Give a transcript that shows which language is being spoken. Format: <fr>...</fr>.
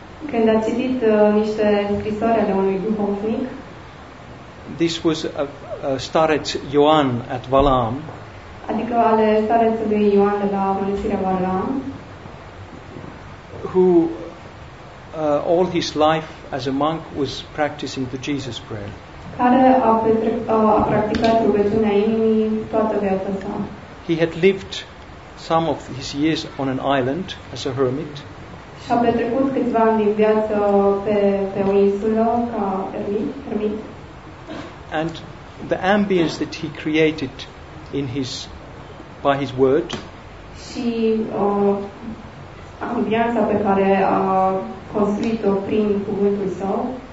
<ro>Când a citit niște scrisori ale unui duhovnic.</ro> <en>This was a Stareț Ioan at Valam.</en> <ro>Adică ale starețului Ioan de la mănăstirea Valam.</ro> <en>Who all his life as a monk was practicing the Jesus prayer.</en> <ro>Care a practicat rugăciunea inimii toată viața sa.</ro> <en>He had lived some of his years on an island as a hermit.</en> <ro>Și a petrecut câțiva ani din viață pe o insulă ca ermit.</ro> <en>And the ambience that he created in his by his word.</en> <ro>Și ambianța pe care a construit-o prin cuvântul său</ro>